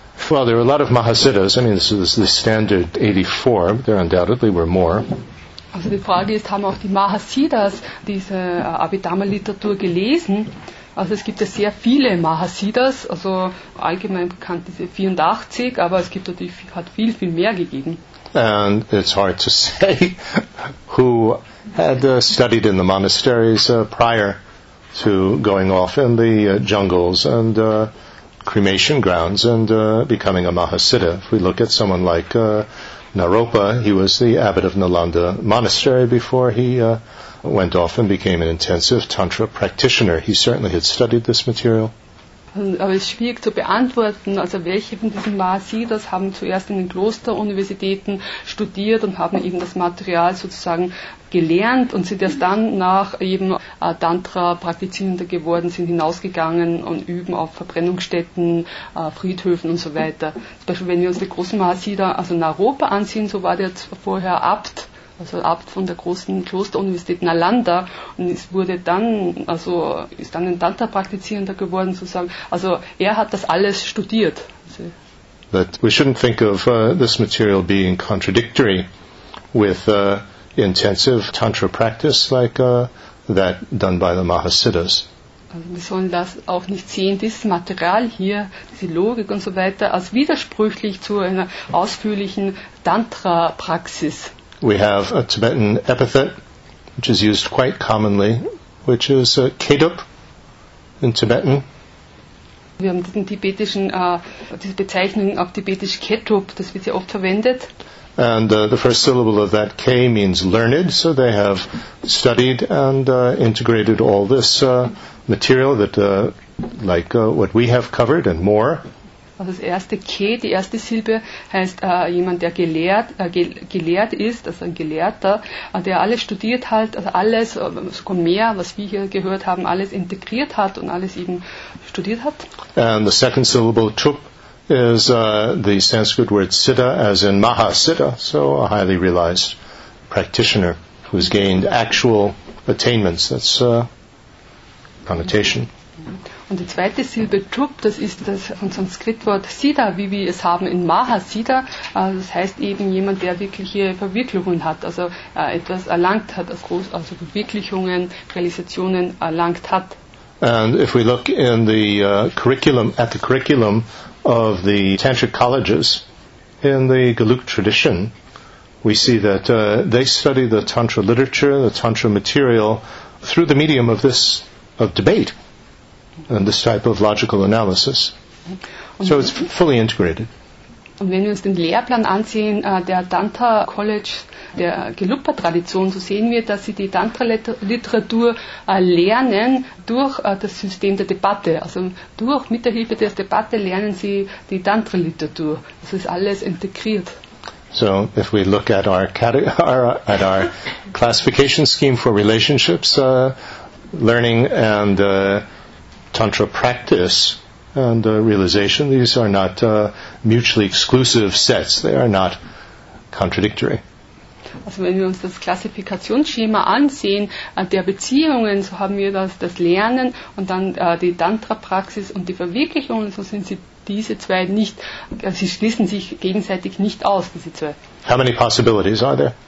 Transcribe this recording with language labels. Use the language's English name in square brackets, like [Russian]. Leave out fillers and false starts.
[English] Well, there are a lot of Mahasiddhas. I mean, this is the standard 84. There undoubtedly were more. [German] Also die Frage ist, haben auch die Mahasiddhas diese Abhidhamma-Literatur gelesen? Also es gibt ja sehr viele Mahasiddhas, also allgemein bekannt diese 84, aber es gibt natürlich hat viel, viel mehr gegeben. [English] And it's hard to say who had studied in the monasteries prior to going off in the jungles and cremation grounds and becoming a Mahasiddha. If we look at someone like Naropa, he was the abbot of Nalanda Monastery before he went off and became an intensive Tantra practitioner. He certainly had studied this material. [German] Aber es ist schwierig zu beantworten, also welche von diesen Mahasiddhas haben zuerst in den Klosteruniversitäten studiert und haben eben das Material sozusagen gelernt und sind erst dann nach eben Tantra-Praktizierender geworden, sind hinausgegangen und üben auf Verbrennungsstätten, Friedhöfen und so weiter. Zum Beispiel, wenn wir uns den großen Mahasiddha, also Naropa ansehen, so war der vorher Abt. Also Abt von der großen Klosteruniversität Nalanda und ist dann ein Tantra-Praktizierender geworden sozusagen. Also er hat das alles studiert. [English] But we shouldn't think of this material being contradictory with intensive Tantra practice like that done by the Mahasiddhas. [German] Also wir sollen das auch nicht sehen, dieses Material hier, diese Logik und so weiter, als widersprüchlich zu einer ausführlichen Tantra-Praxis. [English] We have a Tibetan epithet, which is used quite commonly, which is Kedup in Tibetan. [German] Wir haben diesen tibetischen, diese Bezeichnung auf Tibetisch Ketup, das wird sehr oft verwendet. [English] And the first syllable of that K means learned, so they have studied and integrated all this material that, like what we have covered and more. [German] Also das erste K, die erste Silbe, heißt jemand, der gelehrt, gelehrt ist, also ein Gelehrter, der alles studiert hat, also alles, sogar mehr, was wir hier gehört haben, alles integriert hat und alles eben studiert hat. [English] And the second syllable, Tup, is the Sanskrit word Siddha, as in Maha Siddha, so a highly realized practitioner who has gained actual attainments. That's connotation. [German] Und die zweite Silbe Tup, das ist das Sanskritwort Siddha, wie wir es haben in Maha Siddha. Also das heißt eben jemand, der wirkliche Verwirklichungen hat, also etwas erlangt hat, also Verwirklichungen, Realisationen erlangt hat. [English] And if we look in the curriculum, at the curriculum of the tantric colleges in the Galuk tradition, we see that they study the tantra literature, the tantra material, through the medium of this of debate and this type of logical analysis. So it's fully integrated. [German] Und wenn wir uns den Lehrplan ansehen, der Tantra College, der Gelupa-Tradition, so sehen wir, dass sie die Tantra-Literatur lernen durch das System der Debatte. Also durch, mit der Hilfe der Debatte lernen sie die Tantra-Literatur. Das ist alles integriert. [English] So, if we look at our, at our classification scheme for relationships, learning and Tantra practice, and realization, these are not mutually exclusive sets. They are not contradictory. [German] Also wenn wir uns das Klassifikationsschema ansehen, der Beziehungen, so haben wir das Lernen und dann die Tantra-Praxis und die Verwirklichung, so sind sie diese zwei nicht, sie schließen sich gegenseitig nicht aus, diese zwei. [English] How many possibilities are there?